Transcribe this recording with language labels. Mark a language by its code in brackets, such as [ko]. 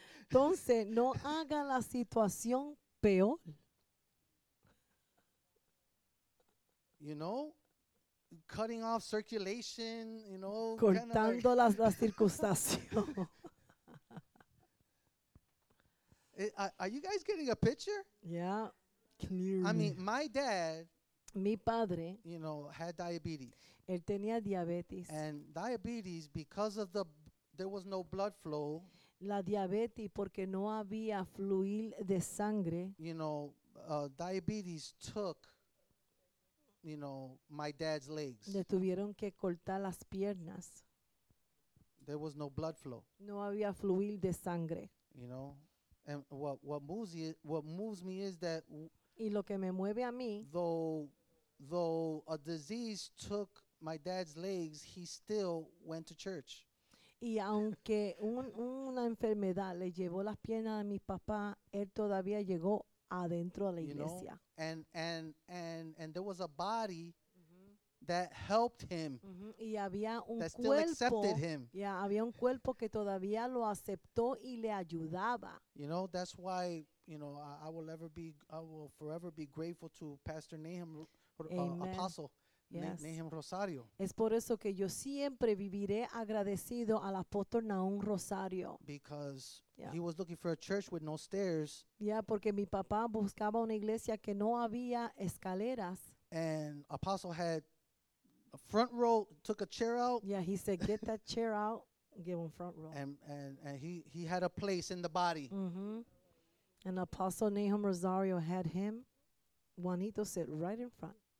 [es] Entonces no haga la situación peor. [en] You know, cutting off circulation, you know, [es] cortando [en] like [es] la circulación. [en] Are you guys getting a picture? Yeah, clearly. I mean, my dad, [es] mi padre, [en] you know, had diabetes. [es] Él tenía diabetes. [en] And diabetes, because of there was no blood flow. [es] La diabetes, porque no había fluir de sangre. [en] You know, diabetes took, you know, my dad's legs. [es] Le tuvieron que cortar las piernas. [en] There was no blood flow. [es] No había fluir de sangre. [en] You know, and what moves me is that. [es] Y lo que me mueve a mí. [en] Though a disease took my dad's legs, he still went to church. [es] Y aunque una enfermedad le llevó las piernas a mi papá, él todavía llegó adentro a la iglesia. [en] You know, and there was a body that helped him. [es] Y había un cuerpo. Yeah, había un cuerpo que todavía lo aceptó y le ayudaba. [en] You know, that's why, you know, I will forever be grateful to Pastor Nahum, Apostle. Rosario. [es] Es por eso que yo siempre viviré agradecido al apóstol Nahum Rosario. [en] Because he was looking for a church with no stairs. [es] Yeah, porque mi papá buscaba una iglesia que no había escaleras. [en] And Apostle had a front row, took a chair out. Yeah, he said, get that chair out, give him front row. And he had a place in the body. Mm-hmm. And Apostle Nahum Rosario had him, Juanito, sit right in front.